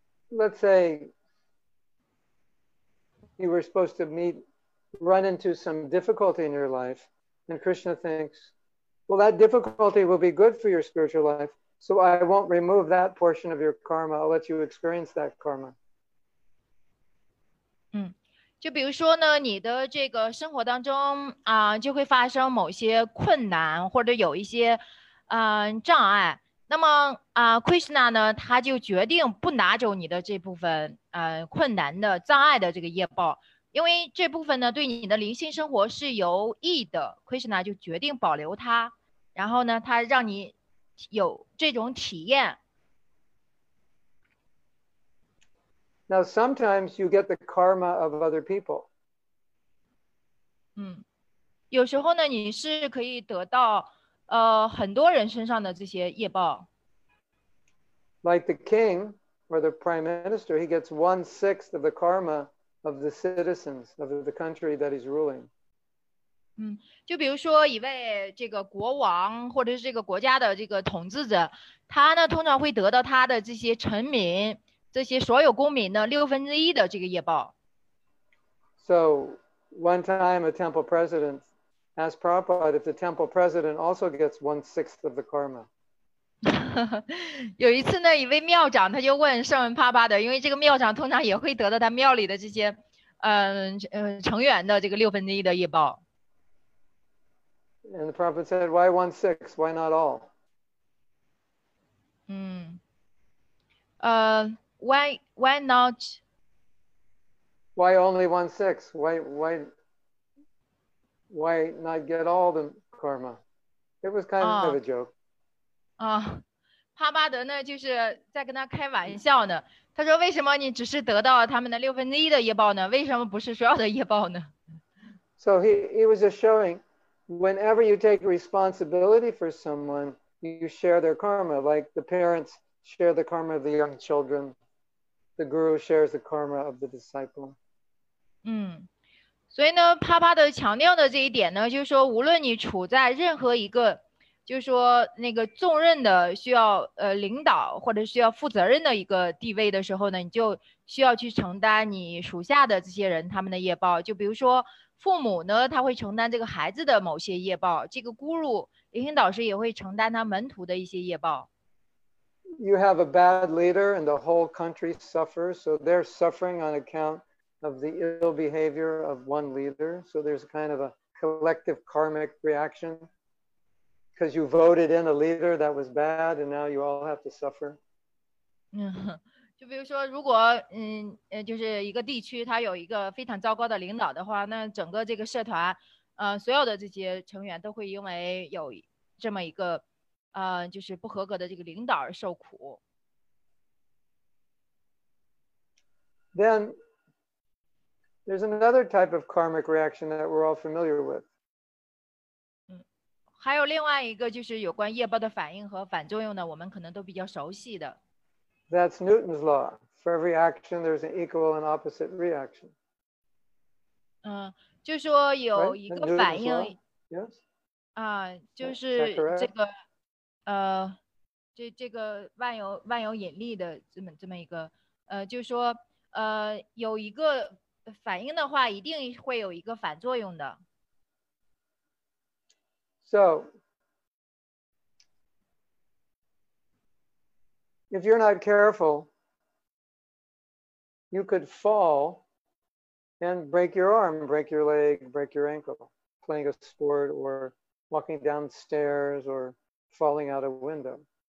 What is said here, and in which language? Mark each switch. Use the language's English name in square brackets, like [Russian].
[English] Let's say you were supposed to run into some difficulty in your life, and Krishna thinks, well, that difficulty will be good for your spiritual life, so I won't remove that portion of your karma. I'll let you experience that karma. [Chinese] 就比如说呢，你的这个生活当中啊，就会发生某些困难或者有一些障碍。那么Krishna 呢，他就决定不拿走你的这部分困难的障碍的这个业报，因为这部分呢对你的灵性生活是有益的。 Krishna 就决定保留它，然后呢，他让你有这种体验。 [English] Now, sometimes you get the karma of other people. [Chinese] 有时候呢，你是可以得到很多人身上的这些业报。 [English] Like the king or the prime minister, he gets 1/6 of the karma of the citizens of the country that he's ruling. [Chinese] 就比如说一位这个国王或者是这个国家的这个统治者，他呢通常会得到他的这些臣民。这些所有公民的六分之一的这个业报。 [English] So, one time a temple president asked Prabhupada if the temple president also gets 1/6 of the karma. [Chinese] 有一次呢，一位庙长他就问圣文帕巴的，因为这个庙长通常也会得到他庙里的这些，成员的这个六分之一的业报。 [English] And the Prabhupada said, "Why 1/6? Why not all?" Why not? Why only 1/6? Why not get all the karma? It was kind of a joke. [Chinese] 帕巴德呢，就是在跟他开玩笑呢。他说：“为什么你只是得到他们的六分之一的业报呢？为什么不是所有的业报呢？” [English] So he was just showing, whenever you take responsibility for someone, you share their karma, like the parents share the karma of the young children. The guru shares the karma of the disciple. [Chinese] 所以呢，帕帕的强调的这一点呢，就是说，无论你处在任何一个，就是说那个重任的需要领导或者需要负责任的一个地位的时候呢，你就需要去承担你属下的这些人他们的业报。就比如说父母呢，他会承担这个孩子的某些业报，这个guru领导师也会承担他门徒的一些业报。 [English] You have a bad leader and the whole country suffers, so they're suffering on account of the ill behavior of one leader. So there's kind of a collective karmic reaction because you voted in a leader that was bad and now you all have to suffer. [Chinese] 就比如说如果就是一个地区它有一个非常糟糕的领导的话，那整个这个社团所有的这些成员都会因为有这么一个就是不合格的这个领导而受苦。 [English] Then there's another type of karmic reaction that we're all familiar with. [Chinese] 还有另外一个就是有关业报的反应和反作用呢，我们可能都比较熟悉的。 [English] That's Newton's law. For every action, there's an equal and opposite reaction. [Chinese] 就说有一个反应。 [English] Right? Yes. [Chinese] 就是这个。这个万有引力的这么一个就是说有一个反应的话一定会有一个反作用的。 [English] So, if you're not careful, you could fall and break your arm, break your leg, break your ankle, playing a sport or walking downstairs orFalling out a window.